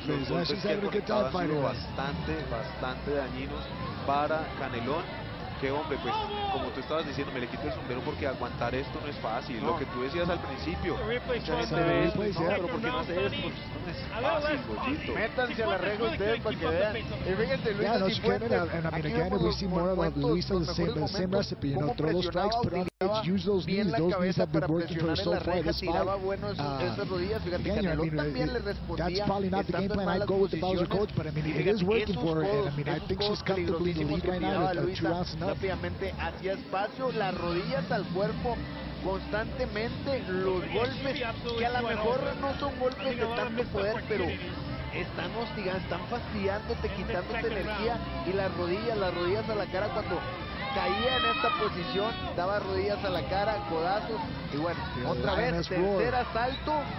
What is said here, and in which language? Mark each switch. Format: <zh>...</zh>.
<es>Los golpes que ha conectado han sido bastante, bastante dañinos para Canelón. Qué hombre, pues, como tú estabas diciendo, me le quito el sombrero porque aguantar esto no es fácil. No. Lo que tú decías al principio, mucha gente ve eso, pero ¿por qué no haces esto? Pues, no es fácil, Goyito. Métanse a la regla ustedes para que vean. Y fíjense, Luisa Cifuentes,</es> <en>and I mean, again, we see more about Luisa, the same recipe, you know, throw those strikes, put on edge, use those knees, those knees have been working for so far, that's fine. Again, I mean, that's probably not the game plan I'd go with the Bowser coach, but I mean, it is working for her, and I mean, I think she's comfortably in the lead right now with 2 rounds.</en> <es>Rápidamente hacia espacio, las rodillas al cuerpo constantemente, los golpes que a lo mejor no son golpes de tanto poder, pero están hostigando, están fastidiándote, quitándote energía, y las rodillas a la cara. Cuando caía en esta posición, daba rodillas a la cara, codazos, y bueno, otra vez, tercer asalto.</es>